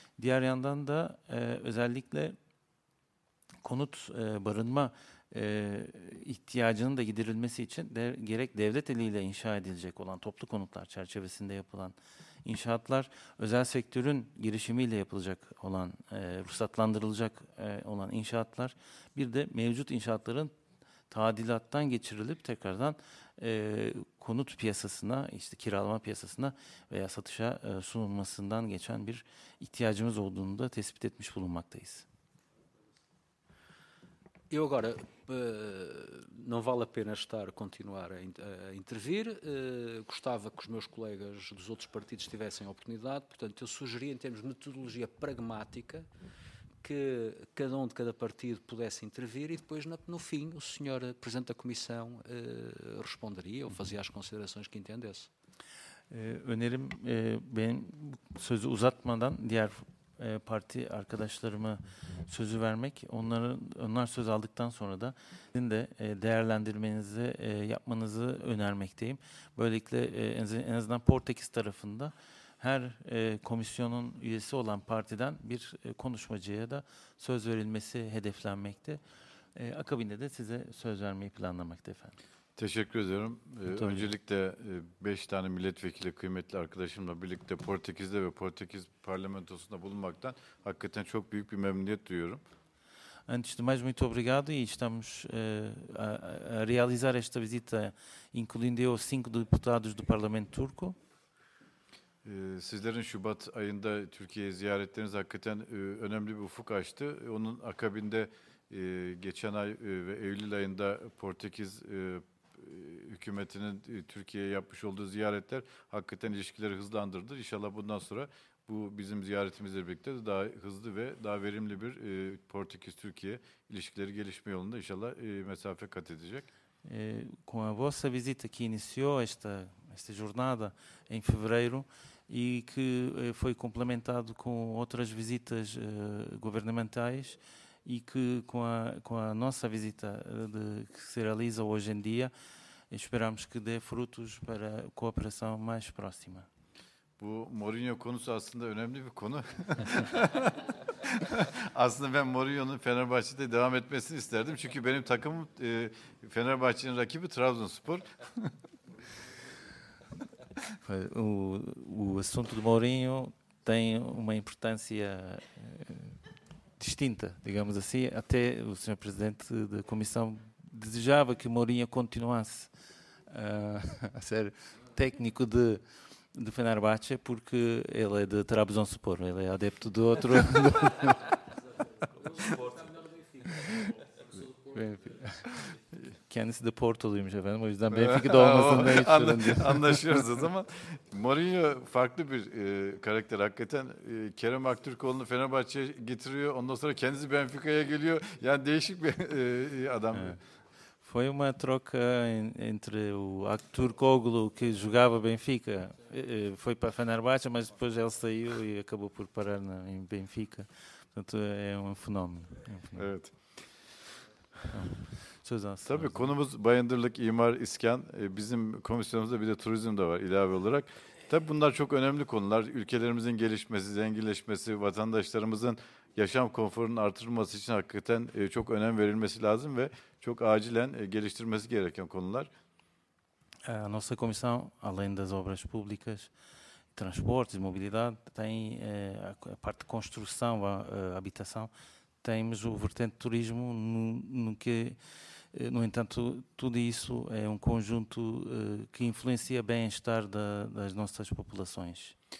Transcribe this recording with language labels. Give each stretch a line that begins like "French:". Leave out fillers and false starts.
Turkish: Diğer yandan da özellikle konut barınma ihtiyacının da giderilmesi için gerek devlet eliyle inşa edilecek olan toplu konutlar çerçevesinde yapılan inşaatlar, özel sektörün girişimiyle yapılacak olan, ruhsatlandırılacak olan inşaatlar, bir de mevcut inşaatların tadilattan geçirilip tekrardan konut piyasasına, işte kiralama piyasasına veya satışa sunulmasından geçen bir ihtiyacımız olduğunu da tespit etmiş bulunmaktayız.
Portuguese: Eu agora, não vale a pena estar a continuar a intervir, gostava que os meus colegas dos outros partidos tivessem a oportunidade, portanto eu sugeria em termos de metodologia pragmática que cada um de cada partido pudesse intervir e depois no fim o senhor Presidente da Comissão responderia ou fazia as considerações que entendesse.
Turkish: Önerim, ben sözü uzatmadan diğer parti arkadaşlarıma sözü vermek, onlar söz aldıktan sonra da sizin de değerlendirmenizi yapmanızı önermekteyim. Böylelikle en azından Portekiz tarafında her komisyonun üyesi olan partiden bir konuşmacıya da söz verilmesi hedeflenmekte. Akabinde de size söz vermeyi planlamakta efendim. Teşekkür ediyorum. Öncelikle 5 tane milletvekili kıymetli arkadaşımla birlikte Portekiz'de ve Portekiz parlamentosunda bulunmaktan hakikaten çok büyük bir memnuniyet duyuyorum.
Portuguese: Antes de mais, muito obrigado e estamos a realizar esta visita, incluindo eu, 5 deputados do Parlamento Turco.
Turkish: Sizlerin Şubat ayında Türkiye'yi ziyaretleriniz hakikaten önemli bir ufuk açtı. Onun akabinde geçen ay ve Eylül ayında Portekiz hükümetinin Türkiye'ye yapmış olduğu ziyaretler hakikaten ilişkileri hızlandırdı. İnşallah bundan sonra bu bizim ziyaretimizle birlikte daha hızlı ve daha verimli bir Portekiz-Türkiye ilişkileri gelişme yolunda inşallah mesafe kat edecek.
Portuguese: Com a vossa visita que iniciou esta jornada em fevereiro e que foi complementado com outras visitas governamentais e que com a nossa visita que se realiza hoje em dia, esperamos que dê frutos para a cooperação mais próxima.
Turkish: Bu Mourinho konusu aslında önemli bir konu. Aslında ben Mourinho'nun Fenerbahçe'de devam etmesini isterdim. Çünkü benim takımım Fenerbahçe'nin rakibi Trabzonspor.
Portuguese: O assunto do Mourinho tem uma importância distinta, digamos assim. Até o senhor presidente da comissão desejava que Mourinho continuasse a ser técnico de Fenerbahçe, porque ele é de Trabzonspor, ele é adepto do outro.
Turkish: Kendisi de Porto'luymuş efendim. O yüzden Benfica'da olmasını da istiyorum. Anlaşıyoruz o zaman. Mourinho farklı bir karakter hakikaten. Kerem Aktürkoğlu'nu Fenerbahçe'ye getiriyor. Ondan sonra kendisi Benfica'ya geliyor. Yani değişik bir adam. Evet.
Portuguese: Foi uma troca entre o Aktürkoğlu, que jogava Benfica, foi para Fenerbahçe, mas depois ele saiu e acabou por parar em Benfica. Portanto, é um fenômeno.
Turkish: Evet. Tabii konumuz bayındırlık, imar, iskan. Bizim komisyonumuzda bir de turizm de var ilave olarak. Tabii bunlar çok önemli konular. Ülkelerimizin gelişmesi, zenginleşmesi, vatandaşlarımızın yaşam konforunun artırılması için hakikaten çok önem verilmesi lazım ve çok acilen geliştirmesi gereken konular.
Portuguese: A nossa comissão, além das obras públicas, transportes, mobilidade, tem a parte de construção, a habitação, temos o vertente turismo no que, no entanto, tudo isso é um conjunto que influencia o bem-estar das nossas populações.